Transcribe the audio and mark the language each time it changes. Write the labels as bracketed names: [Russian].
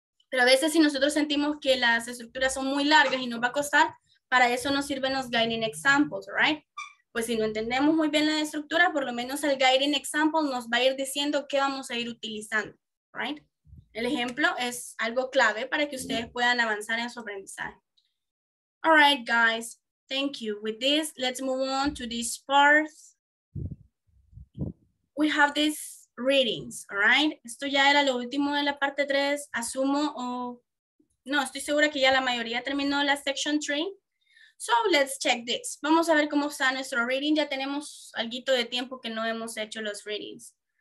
[Spanish] Pero a veces si nosotros sentimos que las estructuras son muy largas y nos va a costar, para eso nos sirven los guiding examples, [English] right? [Spanish] Pues si no entendemos muy bien la estructura, por lo menos el guiding example nos va a ir diciendo qué vamos a ir utilizando, [English] right? [Spanish] El ejemplo es algo clave para que ustedes puedan avanzar en su aprendizaje. [English] All right, guys, thank you. With this, let's move on to this part. We have these readings, all right? [Spanish] Esto ya era lo último de la parte 3, asumo, o no, estoy segura que ya la mayoría terminó la section 3. [English] So let's check this. [Spanish] Vamos a ver cómo está nuestro reading. Ya tenemos alguito de tiempo que no hemos hecho los readings.